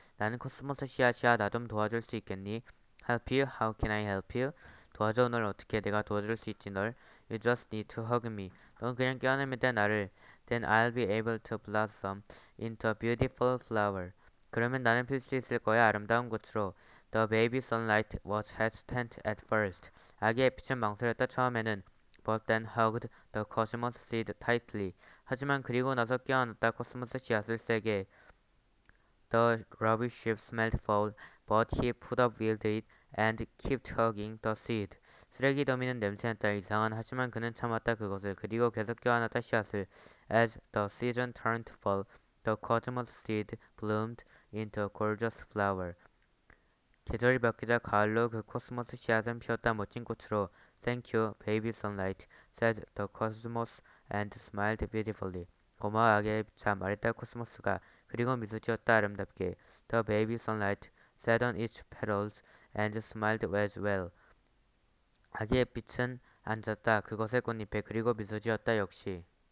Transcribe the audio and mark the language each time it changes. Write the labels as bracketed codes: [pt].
[ko] 나는 코스모스 씨앗이야. 나 좀 도와줄 수 있겠니? [en] Help you? How can I help you? [ko] 도와줘, 널 어떻게 내가 도와줄 수 있지, 널? [en] You just need to hug me. [ko] 넌 그냥 껴안으면 돼, 나를. [en] Then I'll be able to blossom into a beautiful flower. [ko] 그러면 나는 필 수 있을 거야, 아름다운 꽃으로. [en] The baby sunlight was hesitant at first. [ko] 아기의 빛은 망설였다, 처음에는. [en] But then hugged the cosmos seed tightly. [ko] 하지만 그리고 나서 껴안았다, 코스모스 씨앗을 세게. [en] The ruby ship smelled foul, but he put up with it and kept hugging the seed. [ko] 쓰레기 더미는 냄새났다, 이상한. 하지만 그는 참았다, 그것을. 그리고 계속 껴안았다, 씨앗을. [en] As the season turned to fall, the cosmos seed bloomed into a gorgeous flower. [ko] 계절이 바뀌자 가을로 그 코스모스 씨앗은 피었다, 멋진 꽃으로. [en] Thank you, baby sunlight, said the cosmos and smiled beautifully. [ko] 고마워, 아기의 빛아, 말했다, 코스모스가. 그리고 미소 지었다, 아름답게. [en] The baby sunlight sat on each petals and smiled as well. [ko] 아기의 빛은 앉았다, 그것의 꽃잎에. 그리고 미소 지었다, 역시.